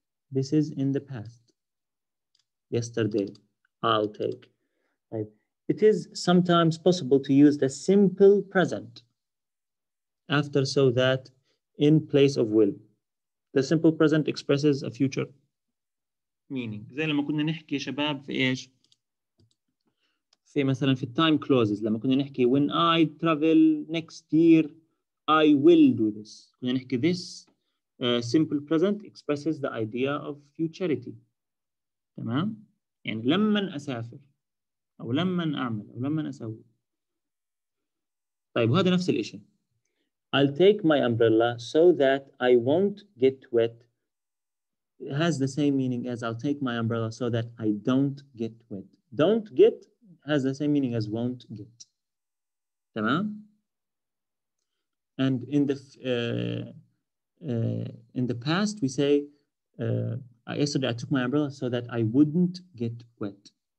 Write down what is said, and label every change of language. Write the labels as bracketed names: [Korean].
[English] This is in the past. Yesterday. I'll take. [Arabic] طيب. [English] It is sometimes possible to use the simple present after so that in place of will. The simple present expresses a future meaning. [Arabic] زي لما كنا نحكي شباب في إيش؟ في مثلا في time clauses لما كنا نحكي [English] when I travel next year I will do this. [Arabic] كنا نحكي [English] this simple present expresses the idea of futurity. [Arabic] تمام؟ يعني لمن أسافر أو لمن أعمل أو لمن أسوي. طيب وهذا نفس الإشي. [English] I'll take my umbrella so that I won't get wet. It has the same meaning as I'll take my umbrella so that I don't get wet. Don't get has the same meaning as won't get. [Arabic] تمام؟ [English] And in the past we say yesterday I took my umbrella so that I wouldn't get wet.